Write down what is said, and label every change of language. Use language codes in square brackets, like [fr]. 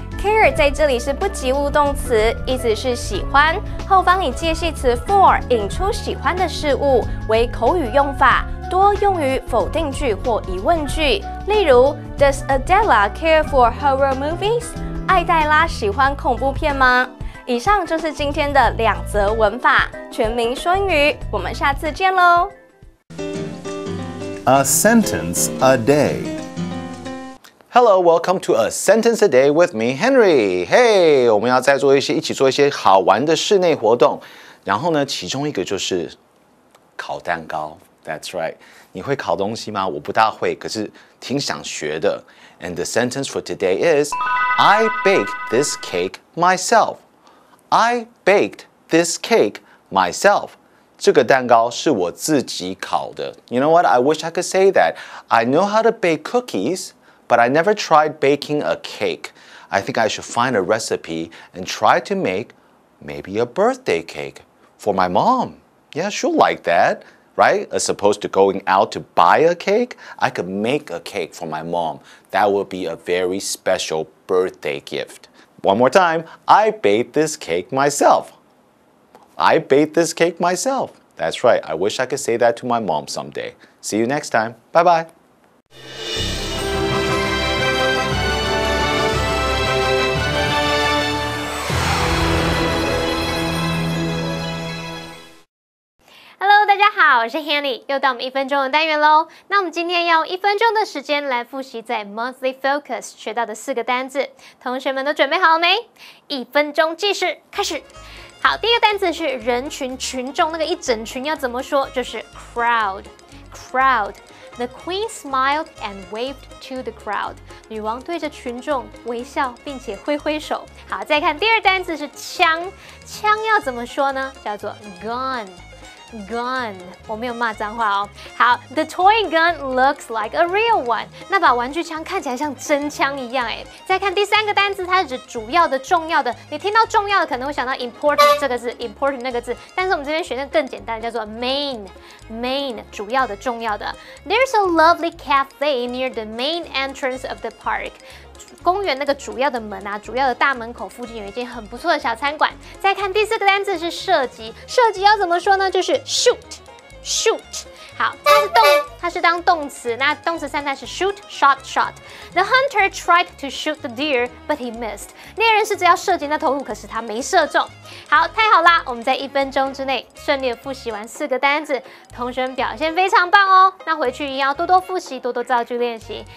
[zh] Care 在这里是不及物动词，意思是喜欢，后方以介系词 for 引出喜欢的事物，为口语用法，多用于否定句或疑问句。例如 [en] Does Adela care for horror movies? [zh] 艾黛拉喜欢恐怖片吗？以上就是今天的两则文法，全民说英语，我们下次见咯。 [en] A sentence a day。 Hello, welcome to A Sentence a Day with me, Henry. [zh] Hey, 我们要再做一些，一起做一些好玩的室内活动。然后呢，其中一个就是烤蛋糕。 [en] That's right. [zh] 你会烤东西吗？我不大会，可是挺想学的。 [en] And the sentence for today is, I baked this cake myself. I baked this cake myself. 这个蛋糕是我自己烤的。 You know what? I wish I could say that. I know how to bake cookies. But I never tried baking a cake. I think I should find a recipe and try to make maybe a birthday cake for my mom. Yeah, she'll like that, right? As opposed to going out to buy a cake, I could make a cake for my mom. That would be a very special birthday gift. One more time. I baked this cake myself. I baked this cake myself. That's right. I wish I could say that to my mom someday. See you next time. Bye-bye. [zh] 好，我是 Hanny， 又到我们一分钟的单元咯。那我们今天要用一分钟的时间来复习在 Monthly Focus 学到的四个单字，同学们都准备好了没？一分钟计时开始。好，第一个单字是人群，群众，那个一整群要怎么说？就是 crowd， crowd。 [en] The queen smiled and waved to the crowd. [zh] 女王对着群众微笑并且挥挥手。好，再看第二单字是枪，枪要怎么说呢？叫做 gun。Gun， 我没有骂脏话哦。 [en] 好 ，The toy gun looks like a real one。 [zh] 那把玩具枪看起来像真枪一样哎。再看第三个单字，它是指主要的、重要的。你听到重要的，可能会想到 important 这个字 ，important 那个字。但是我们这边选的更简单，叫做 main。Main， 主要的、重要的。 [en] There's a lovely cafe near the main entrance of the park。 [zh] 公园那个主要的门啊，主要的大门口附近有一间很不错的小餐馆。再看第四个单字是射击，射击要怎么说呢？就是 shoot， shoot。好，它是动，它是当动词。那动词三态是 shoot， shot， shot。 [en] The hunter tried to shoot the deer, but he missed。 [zh] 猎人试着要射击那头鹿，可是他没射中。好，太好啦！我们在一分钟之内顺利复习完四个单字，同学们表现非常棒哦。那回去要多多复习，多多造句练习。